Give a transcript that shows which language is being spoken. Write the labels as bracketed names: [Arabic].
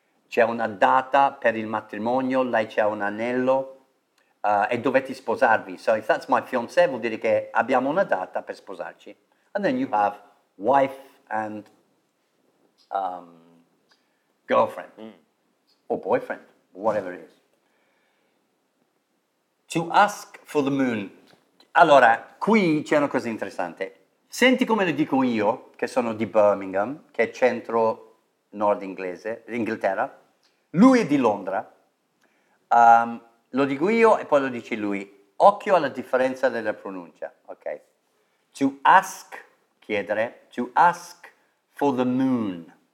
[Italian] C'è una data per il matrimonio, lei c'è un anello, e dovete sposarvi. [English] So if that's my fiancé, [Italian] vuol dire che abbiamo una data per sposarci. [English] And then you have wife and girlfriend, or boyfriend, whatever it is. To ask for the moon. [Italian] Allora, qui c'è una cosa interessante. Senti come lo dico io, che sono di Birmingham, che è centro nord inglese, Inghilterra. Lui è di Londra, lo dico io e poi lo dice lui. Occhio alla differenza della pronuncia, ok? To ask, chiedere, [English] to ask for the moon.